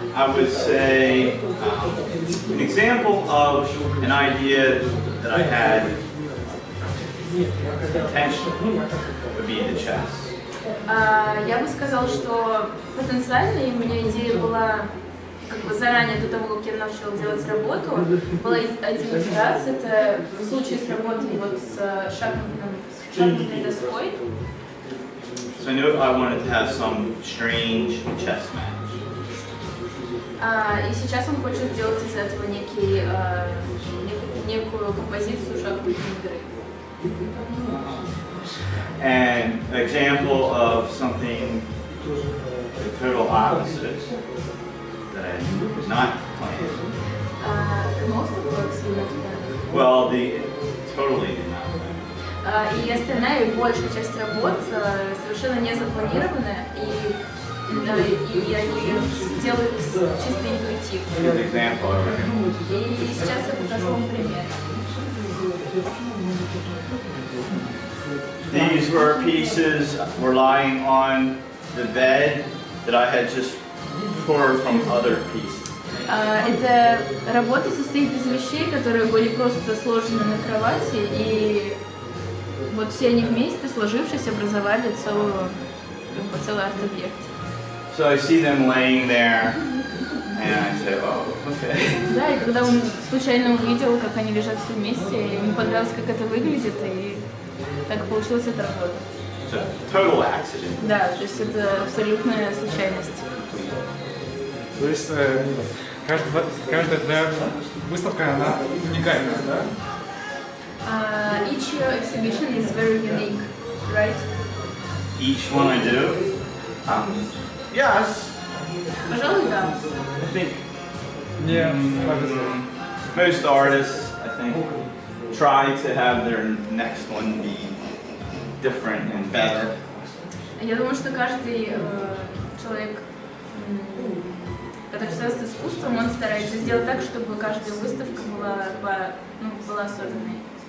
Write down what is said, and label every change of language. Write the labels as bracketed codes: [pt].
[en] I would say an example of an idea that I had potentially would be the chess. [ru] Я бы сказал, что потенциально у меня идея была как бы заранее до того, как я начал делать работу, была один раз, это в случае с работой вот с шахматной доской. [en] So I knew I wanted to have some strange chess match. [ru] И сейчас он хочет сделать из этого некий, некую композицию шахматной игры. [en] And an example of something the total opposite that I did not plan. Most of the works you not plan. Well, the totally did not plan. [ru] И остальная большая часть работ совершенно не запланированная, и они делают чисто интуитивно. [en] Good example. [ru] И сейчас я покажу вам пример. [en] These were pieces were lying on the bed that I had just poured from other pieces. [ru] Эта работа состоит из вещей, которые были просто сложены на кровати, и вот все они вместе, сложившись, образовали целый арт-объект. [en] So I see them laying there, and I say, oh, okay. [ru] Да, и когда он случайно увидел, как они лежат все вместе, ему понравилось, как это выглядит, и так получилось эта работа. [en] Total accident. [ru] Да, то есть это абсолютная случайность. То есть каждая выставка, она уникальна, да? [en] Each exhibition is very unique, right? Each one I do? Yes. [ru] Пожалуй, да. [en] I think. Yeah. Most artists, I think, try to have their next one be different and better. [ru] Я думаю, что каждый человек, который связан с искусством, он старается сделать так, чтобы каждая выставка была особенной.